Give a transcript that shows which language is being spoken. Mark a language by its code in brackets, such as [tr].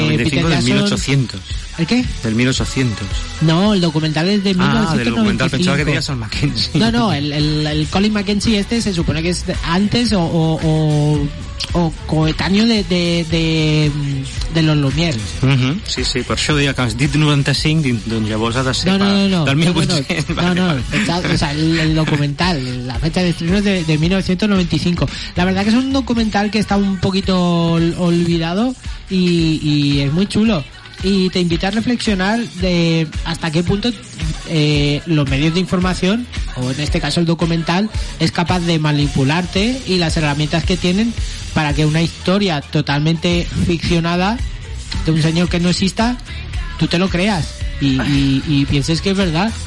[es] 95 Peter Jackson... del 1800. ¿El qué? Del 1800. No, el documental es de 1895. Ah, del documental, pensaba que tenías al McKenzie. No, el Colin McKenzie este se supone que es antes o coetáneo de los Lumière. Uh-huh. [ca] Sí, sí, per això deia que has dit 95, doncs llavors ha de ser del 1800. [es] El documental, la fecha de estreno es de 1995. La verdad que es un documental que está un poquito olvidado y es muy chulo. Y te invita a reflexionar de hasta qué punto los medios de información, o en este caso el documental, es capaz de manipularte, y las herramientas que tienen para que una historia totalmente ficcionada de un señor que no exista, tú te lo creas y pienses que es verdad.